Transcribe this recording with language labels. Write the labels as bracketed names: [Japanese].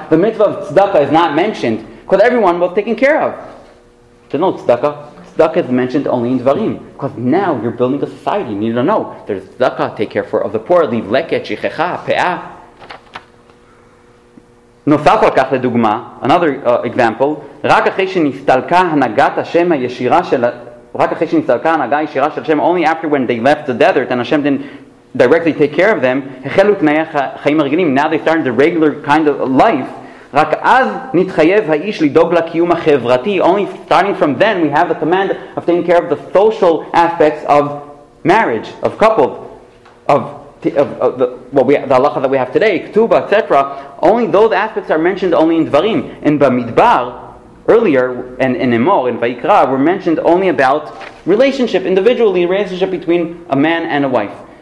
[English] The mitzvah of tzedakah is not mentioned because everyone was taken care of. There's no tzedakah. Tzedakah is mentioned only in Dvarim. Because now you're building a society. You need to know. There's tzedakah, take care of the poor, leave leket, shichecha, pe'ah. [Hebrew] נוסף על כך לדוגמה, [English] another example, [Hebrew] רק אחרי שנסתלקה הנהגת השם הישירה של... רק אחרי שנסתלקה הנהגה הישירה של השם, [English] only after when they left the desert and Hashem didn't directly take care of them, [Hebrew] החלו תנאי החיים הרגילים. [English] Now they started the regular kind of life. [Hebrew] רק אז נתחייב האיש לדאוג לקיום החברתי. [English] Only starting from then we have the command of taking care of the social aspects of marriage, of couples, of the halacha that we have today, ketubah, etc. Only those aspects are mentioned only in Dvarim. In Bamidbar, earlier, and in Emor, in Vayikra, were mentioned only about relationship, individually, relationship between a man and a wife.